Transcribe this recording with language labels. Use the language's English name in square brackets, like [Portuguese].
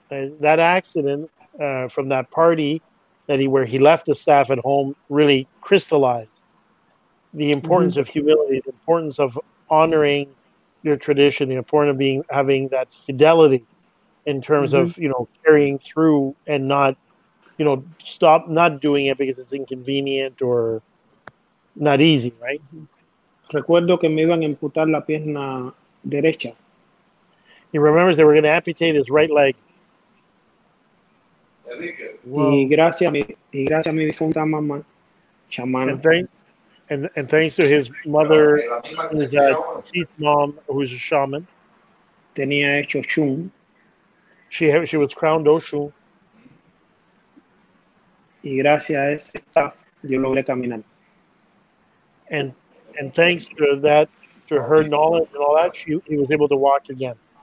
[English] And that accident from that party where he left the staff at home really crystallized the importance mm-hmm. of humility, the importance of honoring your tradition, the importance of having that fidelity in terms mm-hmm. of, you know, carrying through and not, you know, stop not doing it because it's inconvenient or not easy, right? [Spanish] Recuerdo que me iban a amputar la pierna derecha. [English] He remembers they were going to amputate his right leg. [Spanish] Y gracias a mi difunta mamá, chamán. [English] And thanks to his mother, his deceased mom, who's a shaman. [Spanish] Tenía hecho Oshun. [English] She was crowned Oshu. [Spanish] Y gracias a ese staff, yo logré caminar. [English] And thanks to that, to her knowledge and all that, he was able to walk again.